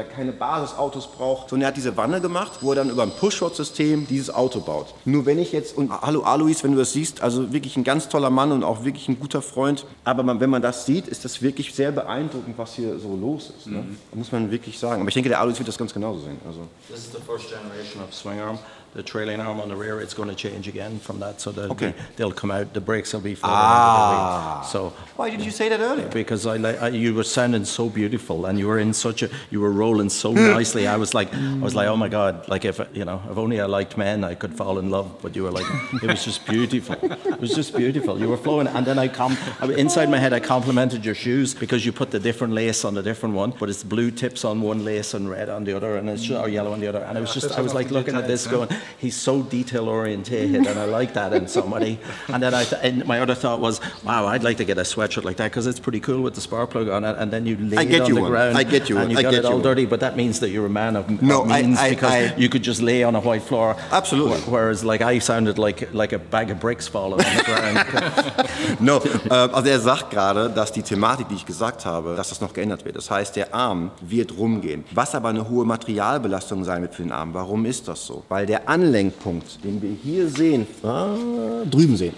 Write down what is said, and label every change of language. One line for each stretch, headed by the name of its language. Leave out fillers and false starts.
German: Dass er keine Basisautos braucht. Sondern er hat diese Wanne gemacht, wo er dann über ein Pushrod-System dieses Auto baut. Nur wenn ich jetzt, und hallo Alois, wenn du das siehst, also wirklich ein ganz toller Mann und auch wirklich ein guter Freund. Aber wenn man das sieht, ist das wirklich sehr beeindruckend, was hier so los ist. Ne? Mhm. Da muss man wirklich sagen. Aber ich denke, der Alois wird das ganz genauso sehen. Also.
English: This is the first generation of swing arm. The trailing arm on the rear, it's going to change again from that. So that they'll come out, the brakes will be further out of the way. So, why did you say that earlier? Because you were sounding so beautiful and you were in such a, you were rolling so nicely. I was like, oh my God, like if only I liked men, I could fall in love. But you were like, it was just beautiful. It was just beautiful. You were flowing. And then inside my head, I complimented your shoes because you put the different lace on the different one, but it's blue tips on one lace and red on the other, and it's or yellow on the other. And I was like looking at this going, he's so detail oriented and I like that in somebody. And then and my other thought was, wow, I'd like to get a sweatshirt like that because it's pretty cool with the spark plug on it. And then you lay it on the ground. I get you. And you got it all dirty, but that means that you're a man of means because you could just lay on a white floor. Absolutely. Whereas, like, I sounded like a bag of bricks falling on the ground.
German: No, also sagt gerade, dass die Thematik, die ich gesagt habe, dass das noch geändert wird. Das heißt, der Arm wird rumgehen. Was aber eine hohe Materialbelastung sein wird für den Arm. Warum ist das so? Weil der Anlenkpunkt, den wir hier sehen, drüben sehen.